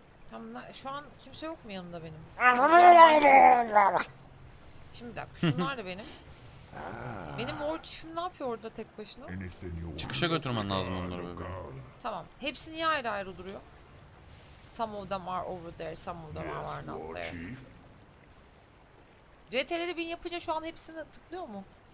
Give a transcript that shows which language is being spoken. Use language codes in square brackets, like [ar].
[tr] Tamam, şu an kimse yok mu yanımda benim? Şimdi bir dakika, şunlar da benim. Benim War Chief'im ne yapıyor orada tek başına? Çıkışa götürmen lazım onları bebeğim. Tamam. Hepsi niye ayrı ayrı duruyor? [en] Some of them are over there, some of them are not there. [tr] CTRL'de bin yapınca şu an hepsini tıklıyor mu?